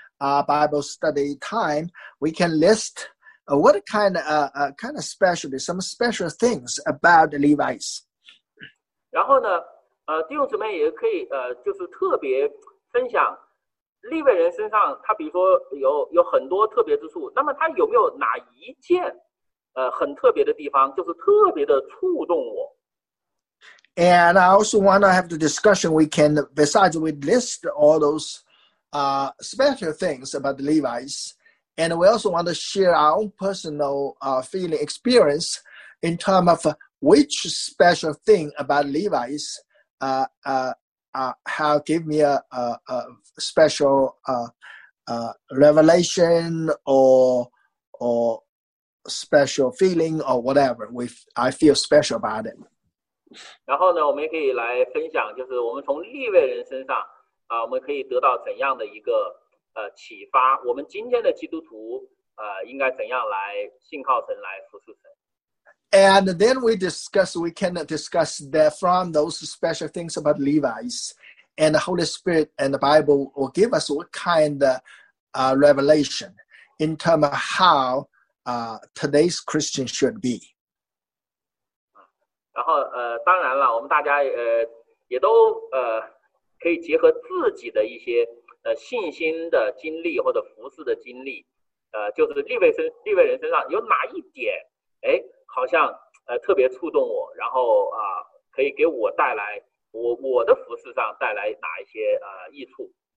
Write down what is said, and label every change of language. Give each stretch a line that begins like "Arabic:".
English: Bible study time, we can list what kind of specialty, some special things about the Levites.
Chinese: 然后呢，弟兄姊妹也可以就是特别分享利未人身上，他比如说有很多特别之处。那么他有没有哪一件很特别的地方，就是特别的触动我？
English: And I also want to have the discussion. We can besides we list all those. Special things about the Levites, and we also want to share our own personal feeling experience in terms of which special thing about Levites have given me a special revelation or special feeling or whatever. I feel special about it.
Chinese: 然后呢，我们也可以来分享，就是我们从利未人身上。我们可以得到怎样的一个启发？我们今天的基督徒应该怎样来信靠神，来服侍神
English: ？And then we can discuss that from those special things about Levites, and the Holy Spirit and the Bible will give us what kind of revelation in terms of how today's Christian should be.
Chinese: 然后当然了，我们大家也都可以结合自己的一些信心的经历或者服事的经历，就是立位人身上有哪一点，哎，好像特别触动我，然后可以给我带来我的服事上带来哪一些益处。